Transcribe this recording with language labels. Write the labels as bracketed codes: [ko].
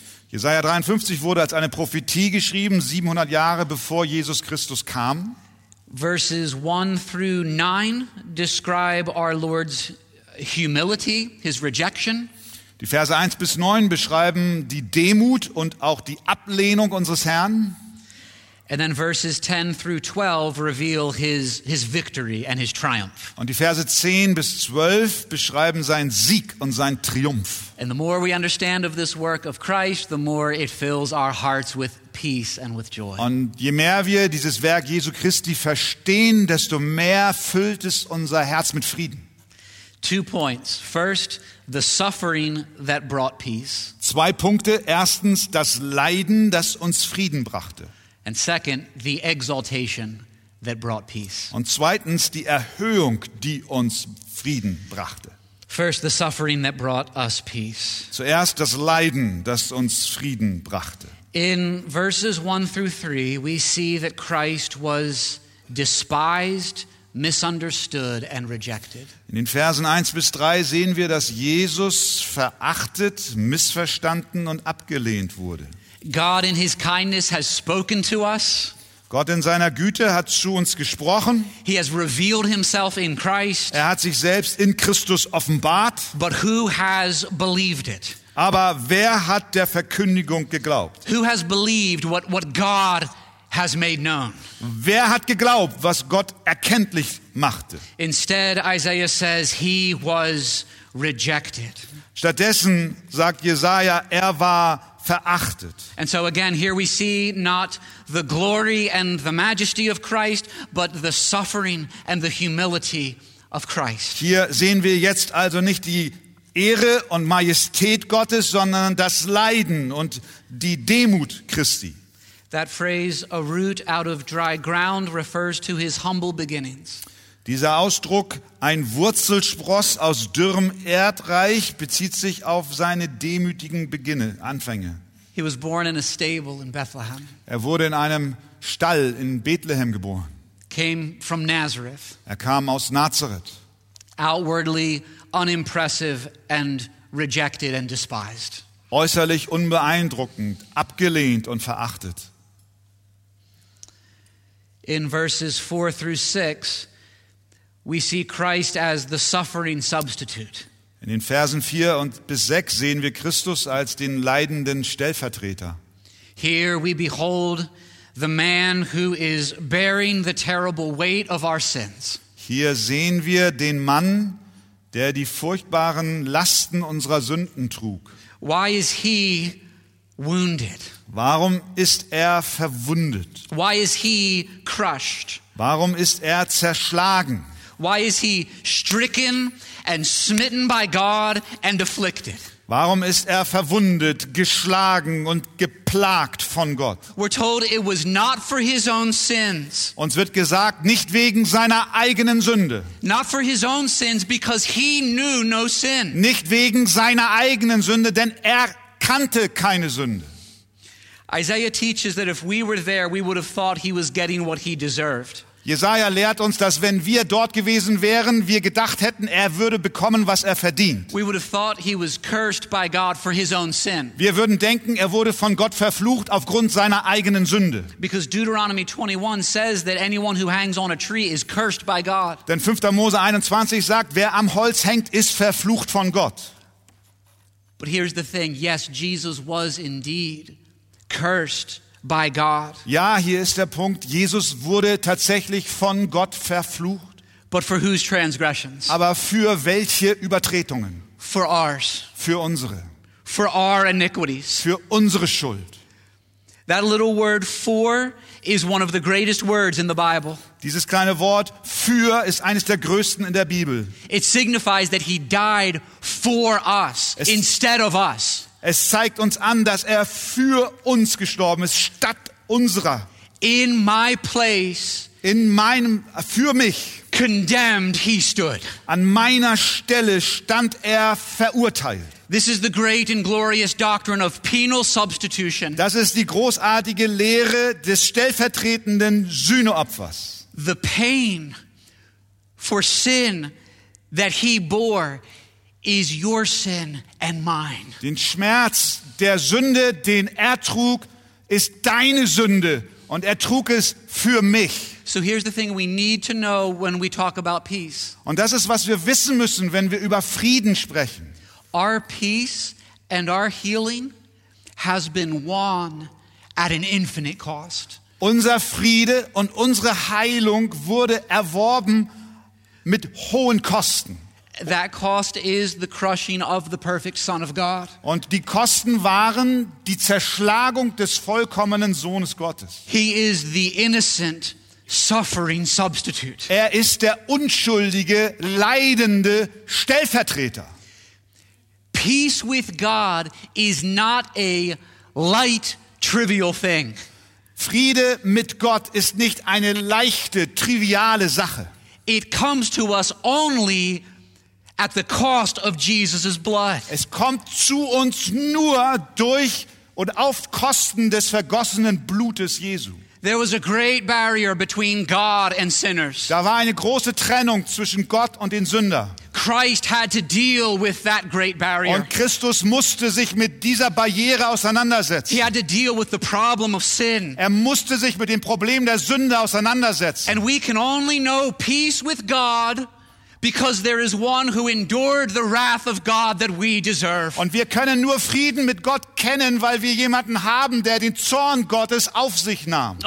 [de] Jesaja 53 wurde als eine Prophetie geschrieben, 700 Jahre bevor Jesus Christus kam. [en] Verses 1 through 9 describe our Lord's humility, his rejection. [de] Die Verse 1 bis 9 beschreiben die Demut und auch die Ablehnung unseres Herrn. [en] And then verses 10 through 12 reveal his victory and his triumph. [de] Und die Verse 10 bis 12 beschreiben seinen Sieg und seinen Triumph. [en] And the more we understand of this work of Christ, the more it fills our hearts with peace and with joy. [de] Und je mehr wir dieses Werk Jesu Christi verstehen, desto mehr füllt es unser Herz mit Frieden. [en] 2 points. First, the suffering that brought peace. [de] 2 Punkte. Erstens, das Leiden, das uns Frieden brachte. [en] And second, the exaltation that brought peace. [de] Und zweitens, die Erhöhung, die uns Frieden brachte. [en] First, the suffering that brought us peace. [de] Zuerst das Leiden, das uns Frieden brachte. [en] In verses 1 through 3, we see that Christ was despised, misunderstood and rejected. [de] In den Versen 1 bis 3 sehen wir, dass Jesus verachtet, missverstanden und abgelehnt wurde. [en] God in his kindness has spoken to us. [de] Gott in seiner Güte hat zu uns gesprochen. [en] He has revealed himself in Christ. [de] Er hat sich selbst in Christus offenbart. [en] But who has believed it? [de] Aber wer hat der Verkündigung geglaubt? [en] Who has believed what God has made known? [de] Wer hat geglaubt, was Gott erkenntlich machte? [en] Instead, Isaiah says he was rejected. [de] Stattdessen sagt Jesaja, er war verachtet. [en] And so again, here we see not the glory and the majesty of Christ, but the suffering and the humility of Christ. [de] Hier sehen wir jetzt also nicht die Ehre und Majestät Gottes, sondern das Leiden und die Demut Christi. [en] That phrase, a root out of dry ground, refers to his humble beginnings. [de] Dieser Ausdruck, ein Wurzelspross aus dürrem Erdreich, bezieht sich auf seine demütigen Beginne, Anfänge. [en] He was born in a stable in Bethlehem. [de] Er wurde in einem Stall in Bethlehem geboren. [en] Came from Nazareth. [de] Er kam aus Nazareth. [en] Outwardly unimpressive and rejected and despised. [de] Äußerlich unbeeindruckend, abgelehnt und verachtet. [en] In verses 4 through 6, we see Christ as the suffering substitute. [de] In den Versen 4 und bis 6 sehen wir Christus als den leidenden Stellvertreter. [en] Here we behold the man who is bearing the terrible weight of our sins. [de] Hier sehen wir den Mann, der die furchtbaren Lasten unserer Sünden trug. [en] Why is he wounded? [de] Warum ist er verwundet? [en] Why is he crushed? [de] Warum ist er zerschlagen? [en] Why is he stricken and smitten by God and afflicted? [de] Warum ist er verwundet, geschlagen und geplagt von Gott? [en] We're told it was not for his own sins. [de] Uns wird gesagt, nicht wegen seiner eigenen Sünde. [en] Not for his own sins, because he knew no sin. [de] Nicht wegen seiner eigenen Sünde, denn er kannte keine Sünde. [en] Isaiah teaches that if we were there, we would have thought he was getting what he deserved. [de] Jesaja lehrt uns, dass wenn wir dort gewesen wären, wir gedacht hätten, er würde bekommen, was er verdient. [en] We would have thought he was cursed by God for his own sin. [de] Wir würden denken, er wurde von Gott verflucht aufgrund seiner eigenen Sünde. [en] Because Deuteronomy 21 says that anyone who hangs on a tree is cursed by God. [de] Denn 5. Mose 21 sagt, wer am Holz hängt, ist verflucht von Gott. [en] But here's the thing. Yes, Jesus was indeed cursed by God. [de] Ja, hier ist der Punkt. Jesus wurde tatsächlich von Gott verflucht. [en] But for whose transgressions? [de] Aber für welche Übertretungen? [en] For ours. [de] Für unsere. [en] For our iniquities. [de] Für unsere Schuld. [en] That little word for is one of the greatest words in the Bible. [de] Dieses kleine Wort für ist eines der größten in der Bibel. [en] It signifies that he died for us instead of us. [de] Es zeigt uns an, dass er für uns gestorben ist, statt unserer. [en] In my place, [de] in meinem, für mich, [en] condemned he stood. [de] An meiner Stelle stand er verurteilt. [en] This is the great and glorious doctrine of penal substitution. [de] Das ist die großartige Lehre des stellvertretenden Sühneopfers. [en] The pain for sin that he bore is your sin and mine. [de] Den Schmerz der Sünde, den trug, ist deine Sünde und trug es für mich. [en] So here's the thing we need to know when we talk about peace. [de] Und das ist, was wir wissen müssen, wenn wir über Frieden sprechen. [en] Our peace and our healing has been won at an infinite cost. [de] Unser Friede und unsere Heilung wurde erworben mit hohen Kosten. [en] That cost is the crushing of the perfect Son of God. [de] Und die Kosten waren die Zerschlagung des vollkommenen Sohnes Gottes. [en] He is the innocent suffering substitute. [de] Er ist der unschuldige, leidende Stellvertreter. [en] Peace with God is not a light, trivial thing. [de] Friede mit Gott ist nicht eine leichte, triviale Sache. [en] It comes to us only at the cost of Jesus's blood. [de] Es kommt zu uns nur durch und auf Kosten des vergossenen Blutes Jesu. [en] There was a great barrier between God and sinners. [de] Da war eine große Trennung zwischen Gott und den Sünder. [en] Christ had to deal with that great barrier. [de] Und Christus musste sich mit dieser Barriere auseinandersetzen. [en] He had to deal with the problem of sin. [de] Er musste sich mit dem Problem der Sünde auseinandersetzen. [en] And we can only know peace with God because there is one who endured the wrath of God that we deserve. [de] Und wir können nur Frieden mit Gott kennen, weil wir jemanden haben, der den Zorn Gottes auf sich nahm.